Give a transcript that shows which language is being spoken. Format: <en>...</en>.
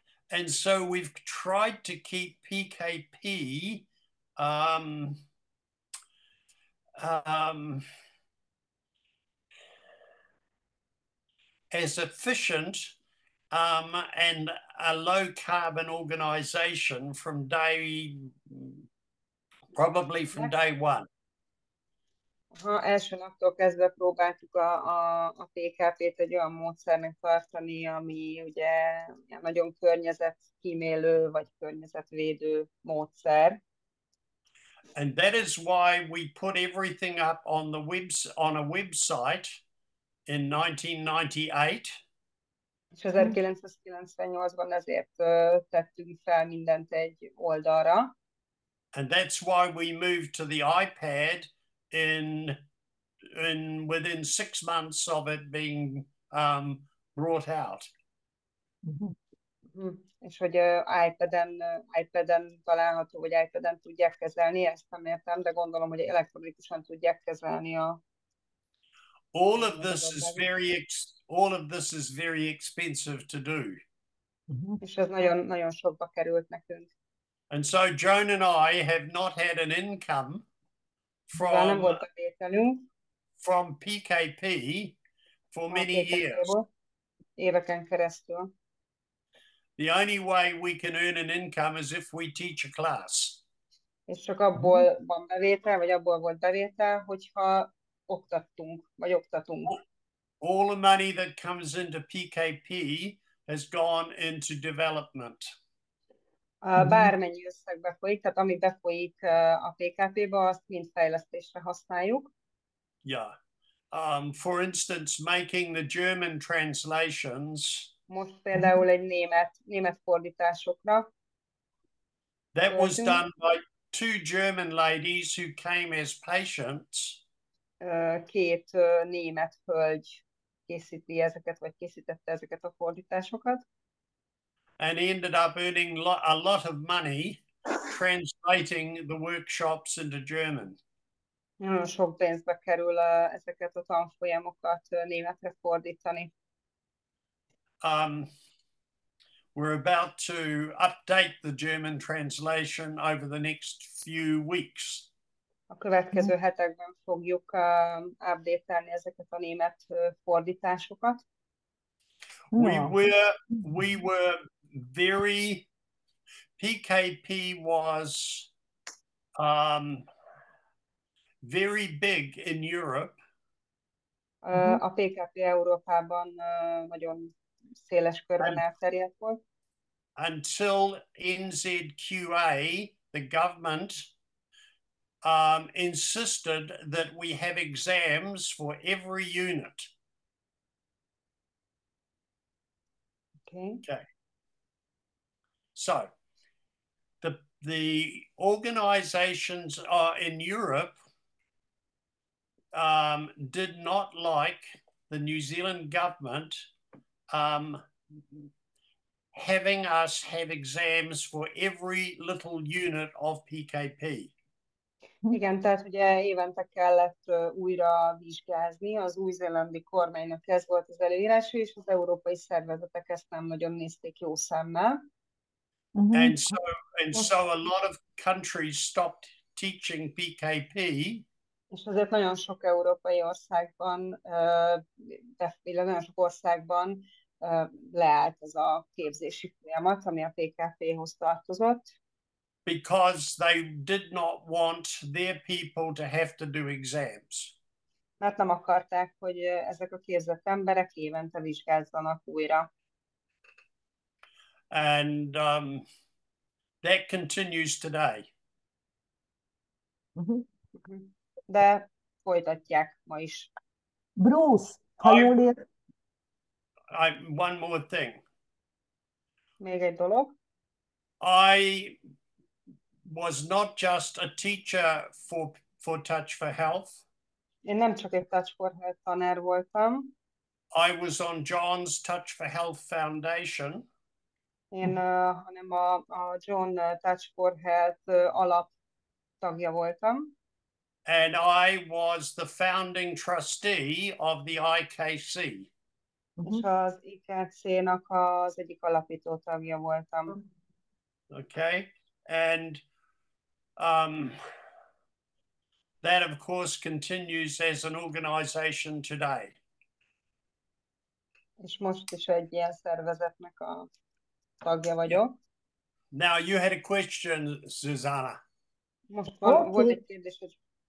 <en>And so we've tried to keep PKP as efficient and a low carbon organization from day one.</en> <hu>Ha első naptól kezdve próbáltuk a PKP-t egy olyan módszernek tartani, ami ugye nagyon környezetkímélő vagy környezetvédő módszer.</hu> <en>And that is why we put everything up on the webs on a website in 1998.</en> <hu>És 1998-ban ezért tettünk fel mindent egy oldalra.</hu> <en>And that's why we moved to the iPad in within 6 months of it being brought out.</en> <hu>És hogy iPad-en található, hogy iPad-en tudják kezelni, ezt nem értem, de gondolom, hogy elektronikusan tudják kezelni a.</hu> <en>All of this is very expensive to do.</en> <hu>És ez nagyon sokba került nekünk.</hu> <en>And so Joan and I have not had an income from PKP for many years.</en> <hu>Éveken keresztül.</hu> <en>The only way we can earn an income is if we teach a class.</en> <hu>És csak abból van bevétel, vagy abból volt bevétel, hogyha oktattunk, vagy oktatunk.</hu> <en>All the money that comes into PKP has gone into development.</en> <hu>Bármennyi összeg befolyik, tehát ami befolyik a PKP-ba, azt mind fejlesztésre használjuk.</hu> <en>Yeah. For instance, making the German translations.</en> <hu>Most például egy német fordításokra.</hu> <en>That was done by two German ladies who came as patients.</en> <hu>Két német hölgy készíti ezeket, vagy készítette ezeket a fordításokat.</hu> <en>And ended up earning a lot of money translating the workshops into German.</en> <hu>Nagyon sok pénzbe kerül ezeket a tanfolyamokat németre fordítani.</hu> <en>We're about to update the German translation over the next few weeks.</en> <hu>A következő hetekben fogjuk update-elni ezeket a német fordításokat.</hu> <en>We were very PKP was very big in Europe.</en> <hu>A PKP Európában nagyon széles körben elterjedt volt.</hu> <en>Until NZQA, the government insisted that we have exams for every unit. Okay. So, the organizations are in Europe did not like the New Zealand government having us have exams for every little unit of PKP.</en> <hu>Igen, tehát ugye évente kellett újra vizsgázni, az új-zélandi kormánynak ez volt az előírása, és az európai szervezetek ezt nem nagyon nézték jó szemmel.</hu> <en>And so a lot of countries stopped teaching PKP.</en> <hu>És azért nagyon sok európai országban, illetve nagyon sok országban leállt ez a képzési folyamat, ami a PKP-hoz tartozott.</hu> <en>Because they did not want their people to have to do exams.</en> <hu>Mert nem akarták, hogy ezek a képzett emberek évente vizsgázzanak újra.</hu> <en>And that continues today.</en> <hu>De folytatják ma is. Bruce, ha jól ér.</hu> <en>One more thing.</en> <hu>Még egy dolog.</hu> <en>I was not just a teacher for Touch for Health.</en> <hu>Én nem csak egy Touch for Health tanár voltam.</hu> <en>I was on John's Touch for Health Foundation.</en> <hu>Én hanem a John Touch for Health alap tagja voltam.</hu> <en>And I was the founding trustee of the IKC.</en> <hu>És az IKC-nak az egyik alapító tagja voltam.</hu> <en>Okay, and that of course continues as an organization today.</en> <hu>És most is egy ilyen szervezetnek a tagja vagyok.</hu> <en>Now you had a question, Susanna.</en> <hu>Most volt egy kérdés, hogy...</hu>